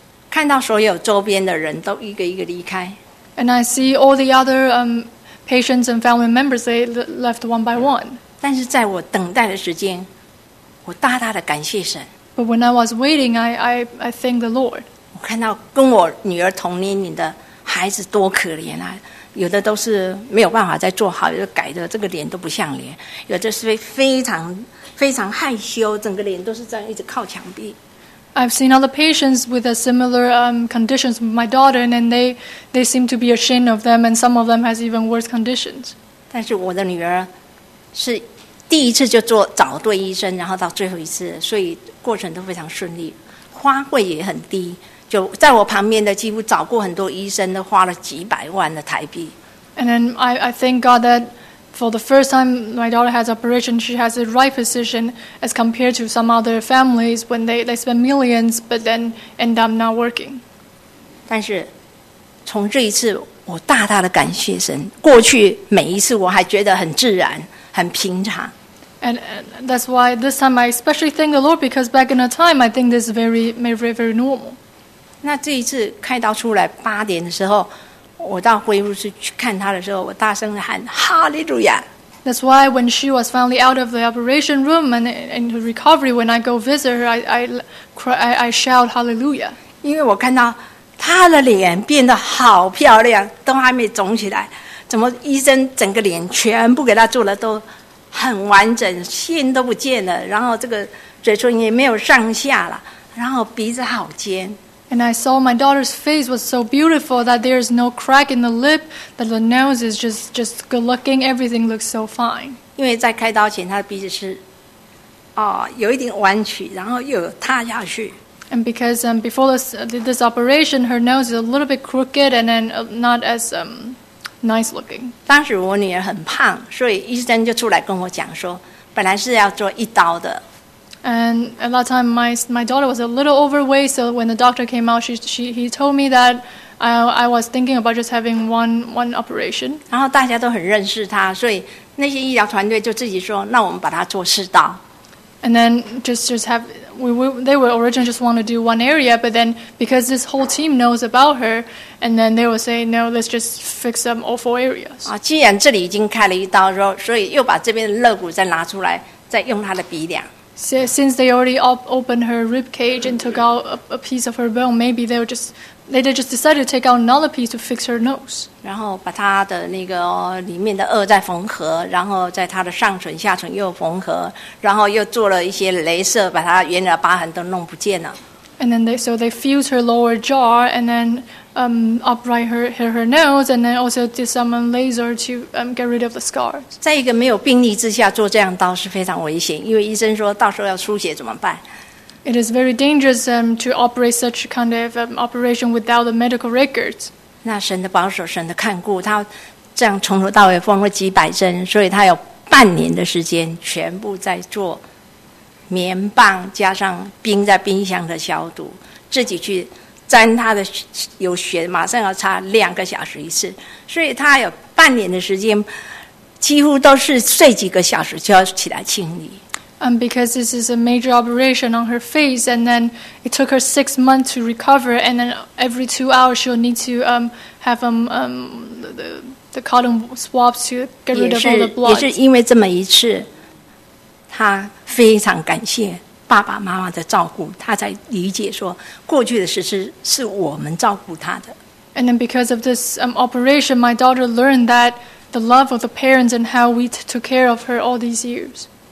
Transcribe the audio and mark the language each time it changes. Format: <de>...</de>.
<zh>看到所有周边的人都一个一个离开。</zh> <en>And I see all the other patients and family members, they left one by one.</en> <zh>但是在我等待的时间。我大大的感谢神。</zh> <en>But when I was waiting, I thank the Lord.</en> <zh>我看到跟我女儿同年龄的孩子多可怜啊，有的都是没有办法再做好，有的改的这个脸都不像脸，有的是非常非常害羞，整个脸都是这样一直靠墙壁。</zh> <en>I've seen other patients with a similar conditions with my daughter, and then they seem to be ashamed of them, and some of them has even worse conditions.</en> <zh>但是我的女儿是。第一次就做找对医生，然后到最后一次，所以过程都非常顺利，花费也很低。就在我旁边的几乎找过很多医生，都花了几百万的台币。</zh> <en>And then I thank God that for the first time my daughter has operation, she has the right position as compared to some other families when they spend millions but then end up not working.</en> <zh>但是从这一次我大大的感谢神，过去每一次我还觉得很自然很平常。</zh> <en>And that's why this time I especially thank the Lord, because back in the time I think this is very, very, very normal.</en> <zh>那这一次开刀出来八点的时候，我到恢复室去看他的时候，我大声地喊哈利路亚。</zh> <en>That's why when she was finally out of the operation room and in recovery, when I go visit her, I shout hallelujah.</en> <zh>因为我看到她的脸变得好漂亮，都还没肿起来，怎么医生整个脸全部给她做了都很完整，线都不见了，然后这个嘴唇也没有上下了，然后鼻子好尖。</zh> <en>And I saw my daughter's face was so beautiful that there is no crack in the lip, that the nose is just good looking, everything looks so fine.</en> <zh>因为在开刀前她的鼻子是、哦、有一点弯曲，然后又塌下去。</zh> <en>And because before this operation, her nose is a little bit crooked and then not as nice looking.</en> <zh>当时我女儿很胖，所以医生就出来跟我讲说，本来是要做一刀的。</zh> <en>And a lot of time, my daughter was a little overweight, so when the doctor came out, he told me that I was thinking about just having one operation.</en> <zh>然后大家都很认识她，所以那些医疗团队就自己说，那我们把她做四刀。</zh> <en>And then just have, they were originally just want to do one area, but then because this whole team knows about her, and then they will say, no, let's just fix them all four areas.</en> <zh>啊，既然这里已经开了一刀，所以又把这边的肋骨再拿出来，再用她的鼻梁。</zh> <en>Since they already opened her rib cage and took out a piece of her bone, maybe they just decided to take out another piece to fix her nose.</en> <zh>然后把她的那个里面的腭再缝合，然后在她的上唇、下唇又缝合，然后又做了一些镭射，把她原来的疤痕都弄不见了。</zh> <en>And then they fused her lower jaw and then upright her nose and then also did some laser to get rid of the scar.</en> <zh>在一个没有病例之下做这样刀是非常危险，因为医生说到时候要出血怎么办。</zh> <en>It is very dangerous to operate such kind of operation without the medical records.</en> <zh>那神的保守，神的看顾，他这样从头到尾缝了几百针，所以他有半年的时间全部在做棉棒加上冰在冰箱的消毒，自己去沾他的有血，马上要擦两个小时一次，所以他有半年的时间，几乎都是睡几个小时就要起来清理。</zh> <en>Because this is a major operation on her face, and then it took her 6 months to recover, and then every 2 hours she'll need to have the cotton swabs to get rid of all the blood.</en> <zh>也是因为这么一次，他非常感谢爸爸妈妈的照顾，他才理解说过去的事是我们照顾他的。</zh> <en>And then because of this operation, my daughter learned that the love of the parents and how we took care of her all these years.</en>